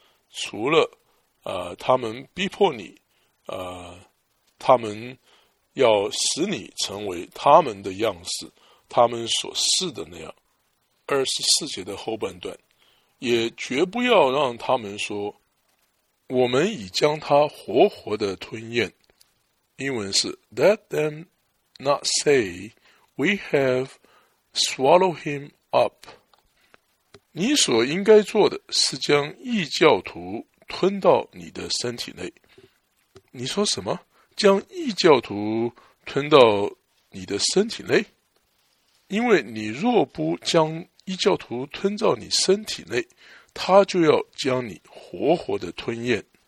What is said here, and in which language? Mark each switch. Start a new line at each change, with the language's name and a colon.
Chinese: 除了他们逼迫你他们要使你成为他们的样式，他们所示的那样。二十四节的后半段，也绝不要让他们说我们已将他活活的吞咽。英文是
English: Let them not say we have swallowed him up。
Chinese: 你所应该做的是将异教徒吞到你的身体内。你说什么？将异教徒吞到你的身体内？因为你若不将异教徒吞到你身体内，他就要将你活活的吞咽。